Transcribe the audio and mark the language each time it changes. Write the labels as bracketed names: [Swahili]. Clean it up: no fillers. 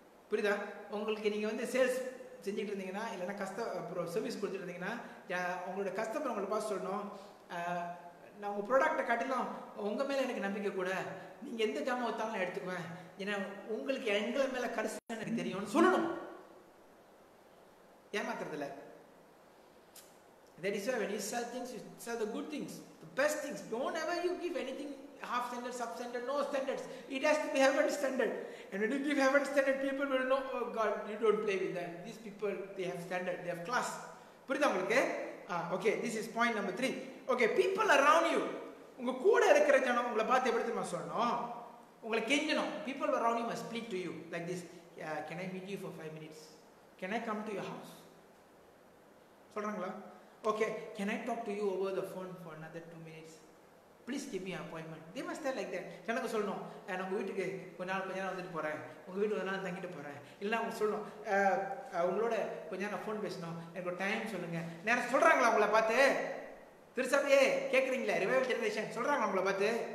[Tamil] புரியுதா? உங்களுக்கு நீங்கள் வந்து சேல்ஸ் செஞ்சுட்டு இருந்தீங்கன்னா, இல்லைனா கஸ்டமர் அப்புறம் சர்வீஸ் கொடுத்துட்டு இருந்தீங்கன்னா, உங்களோட கஸ்டமர் உங்களை பார்த்து சொல்லணும், நான் உங்கள் ப்ராடக்டை காட்டிலும் உங்கள் மேலே எனக்கு நம்பிக்கை கூட, நீங்கள் எந்த ஜாமம் வைத்தாலும் நான் எடுத்துக்குவேன், ஏன்னா உங்களுக்கு எங்களை மேலே கடைசி எனக்கு தெரியும்னு சொல்லணும். ஏமாத்துறதில்ல. [English] That is why when you sell things, you sell the good things, the best things. Don't ever you give anything half standard, sub standard, no standards. It has to be heaven standard. And when you give heaven standard, people will know, oh God, you don't play with them. These people, they have standard, they have class. [Tamil] புரியுதா உங்களுக்கு? [English] Okay, this is point number 3. [Tamil] Okay, [English] people around you, [Tamil] உங்க கூட இருக்கிற ஜனம் உங்களை பார்த்து எப்படி தெரியுமா சொல்லணும், உங்களை கெஞ்சணும். [English] People around you must speak to you like this. Yeah, can I meet you for 5 minutes? Can I come to your house? [Tamil] சொல்றாங்களா? [English] Okay, can I talk to you over the phone for another 2 minutes? Please give me appointment. They must like that. [Tamil] எனக்கு சொல்லணும், நான் உங்கள் வீட்டுக்கு கொஞ்ச நாள் வந்துட்டு போகிறேன், உங்கள் வீட்டு ஒரு நாள் தங்கிட்டு போகிறேன். இல்லை அவங்க சொல்லணும், உங்களோட கொஞ்ச நேரம் ஃபோன் பேசணும், எனக்கு டைம் சொல்லுங்கள். நேரம் சொல்கிறாங்களா உங்களை பார்த்து? திருச்சபையே கேட்குறீங்களே, ரிவைவல் ஜெனரேஷன் சொல்கிறாங்களா உங்களை பார்த்து?